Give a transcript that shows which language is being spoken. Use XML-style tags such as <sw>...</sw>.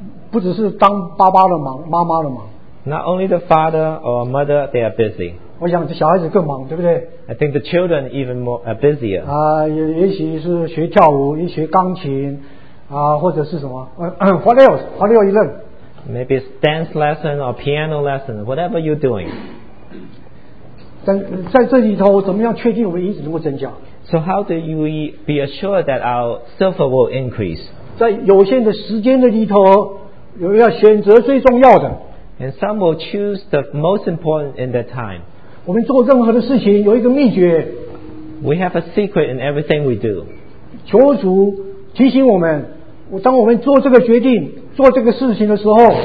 <zh>不只是当爸爸的忙，妈妈的忙。</zh> <en>Not only the father or mother, they are busy.</en> <zh>我想小孩子更忙，对不对</zh> <en>？I think the children even more are busier.</en> <zh>也许是学跳舞，一学钢琴，或者是什么，</zh> <en>whatever you learn. Maybe it's dance lesson or piano lesson, whatever you're doing.</en> <zh>在这里头，怎么样确定我们银子能够增加</zh> <en>？So how do you be assured that our silver will increase?</en> <zh>在有限的时间的里头，有要选择最重要的。</zh> <en>And some will choose the most important in that time.</en> <zh>我们做任何的事情有一个秘诀。</zh> <en>We have a secret in everything we do.</en> <zh>求主提醒我们，当我们做这个决定、做这个事情的时候，</zh>